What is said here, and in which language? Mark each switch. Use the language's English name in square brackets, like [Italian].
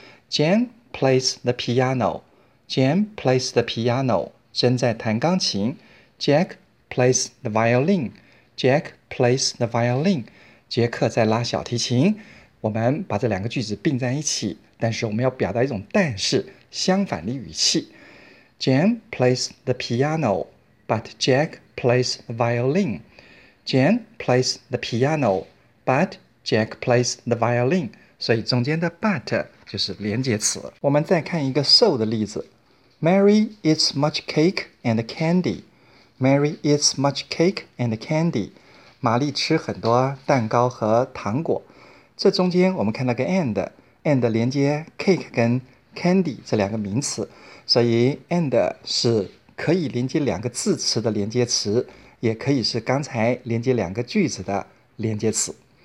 [English] Jen plays the piano. Jen plays the piano. [Chinese] 珍在弹钢琴。 [English] Jackplays the violin. Jack plays the violin. [Chinese] 杰克在拉小提琴。我们把这两个句子并在一起，但是我们要表达一种但是，相反的语气。 [English] Jan plays the piano, but Jack plays the violin. Jan plays the piano, but Jack plays the violin. [Chinese] 所以中间的 but 就是连接词。我们再看一个 so 的例子。 [English] Mary eats much cake and candy. Mary eats much cake and candy. [Chinese] 玛丽吃很多蛋糕和糖果。这中间我们看到个 and， and 连接 cake 跟 candy 这两个名词，所以 and 是可以连接两个字词的连接词，也可以是刚才连接两个句子的连接词。